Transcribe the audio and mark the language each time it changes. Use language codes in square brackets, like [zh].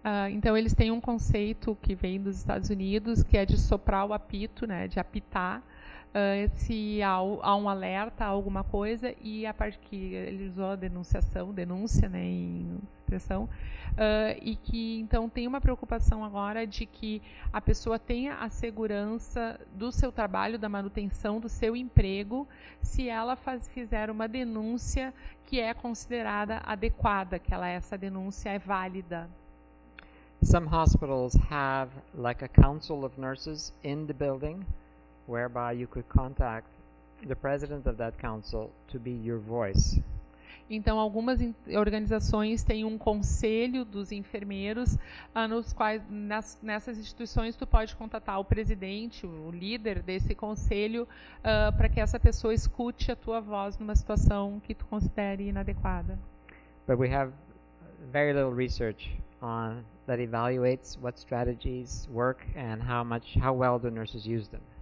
[pt] Então, eles têm um conceito que vem dos Estados Unidos, que é de soprar o apito, né, de apitar, se há um alerta, alguma coisa, e a parte que ele usou a denúncia, né, em expressão, e que, então, tem uma preocupação agora de que a pessoa tenha a segurança do seu trabalho, da manutenção do seu emprego, se ela fizer uma denúncia que é considerada adequada, que ela, essa denúncia é válida. [en] Some hospitals have like a council of nurses in the building whereby you could contact the president of that council to be your voice. [pt] Então algumas organizações têm um conselho dos enfermeiros nos quais nessas instituições tu pode contatar o presidente, o líder desse conselho, para que essa pessoa escute a tua voz numa situação que tu considere inadequada. [en] But we have very little research on that evaluates what strategies work and how well the nurses use them.